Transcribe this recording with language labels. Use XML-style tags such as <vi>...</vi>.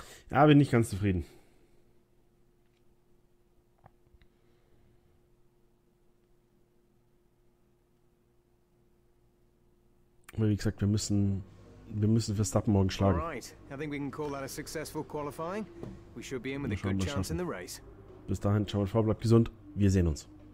<de>Ja, bin nicht ganz zufrieden. Aber wie gesagt, wir müssen Verstappen morgen schlagen.</de> <en>Alright, I think we can call that a successful qualifying. We should be in with a good chance in the race.</en> <de>Bis dahin, ciao und ciao, bleibt gesund. Wir sehen uns.</de>